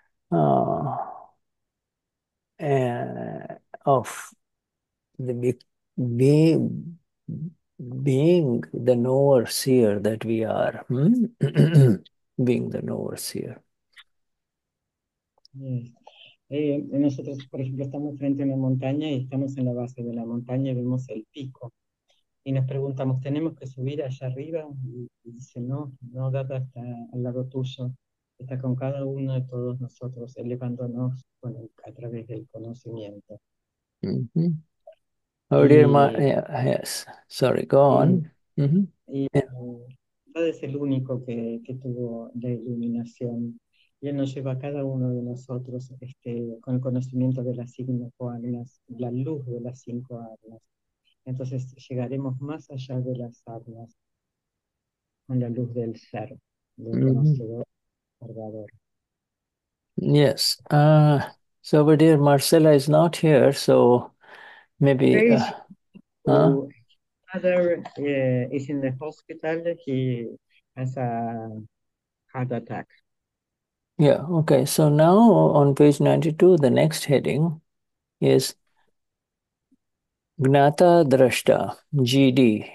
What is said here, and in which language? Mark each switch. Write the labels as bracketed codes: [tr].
[en] of the being the knower seer that we are, being the knower seer. Yes. [es] Nosotros, por ejemplo, estamos frente a una montaña y estamos en la base de la montaña y vemos el pico. Y nos preguntamos, ¿tenemos que subir allá arriba? Y dice, no, no, Dada está al lado tuyo. Está con cada uno de todos nosotros, elevándonos a través del conocimiento. [en] Oh dear, my, yes, sorry, go on. [es] Dada es el único que tuvo la iluminación. Y él nos lleva a cada uno de nosotros con el conocimiento de las cinco agnas, la luz de las cinco agnas. Entonces llegaremos más allá de las agnas, con la luz del ser, del conocedor, observador. [en] Yes, so my dear Marcela is not here, so maybe Where is your father? Is in the hospital. He has a heart attack. So now on page 92, the next heading is Gnata Drashta, GD.